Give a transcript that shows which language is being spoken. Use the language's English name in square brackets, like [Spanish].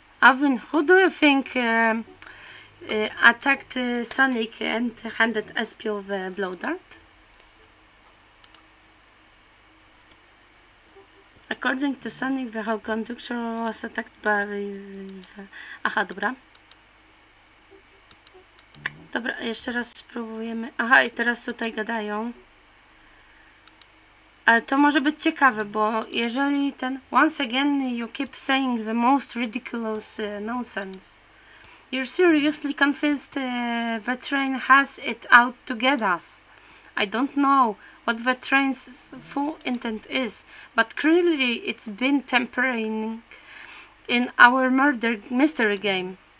[English] Alvin, who do you think attacked Sonic and handed Espio the blow dart? According to Sonic, the whole conductor was attacked by the... [Polish] Aha, dobra. Dobra, jeszcze raz spróbujemy. Aha, i teraz tutaj gadają. Ale to może być ciekawe, bo jeżeli ten... [English] Once again, you keep saying the most ridiculous nonsense. You're seriously convinced the train has it out to get us. I don't know what the train's full intent is, but clearly it's been tampering in our murder mystery game.